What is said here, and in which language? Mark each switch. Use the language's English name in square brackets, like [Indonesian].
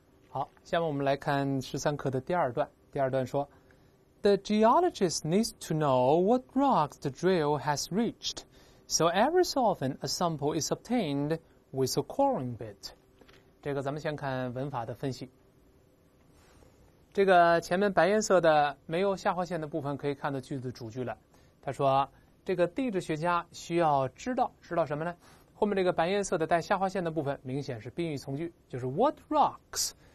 [Chinese] 好，下面我们来看十三课的第二段。第二段说 [English] ，The geologist needs to know what rock the drill has reached, so every so often a sample is obtained with a coring bit。 [Chinese] 这个咱们先看文法的分析。这个前面白颜色的没有下划线的部分可以看到句子主句了。他说，这个地质学家需要知道什么呢？后面这个白颜色的带下划线的部分明显是宾语从句，就是 [English] what rocks。